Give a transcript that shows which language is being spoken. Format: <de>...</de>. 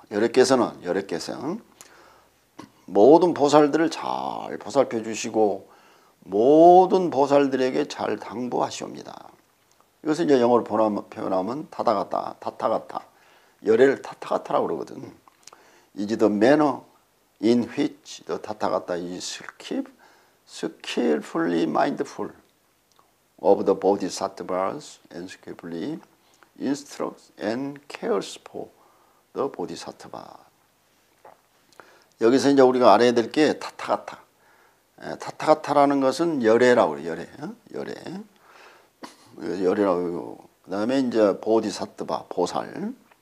<ko>열애께서는 모든 보살들을 잘 보살펴 주시고 모든 보살들에게 잘 당부하시옵니다. 이것을 이제 영어로 표현하면 타다가타, 타타가타. 열애를 타타가타라고 그러거든.</ko> <en>Is the manner in which the 타타가타 is skillfully mindful of the bodhisattvas and skillfully instructs and cares for the bodhisattva.</en> <ko>여기서 이제 우리가 알아야 될 게 타타가타. 타타가타라는 것은 열애라고 해요. 열애. 열애라고 하고 그다음에 이제 보디사트바 보살.</ko>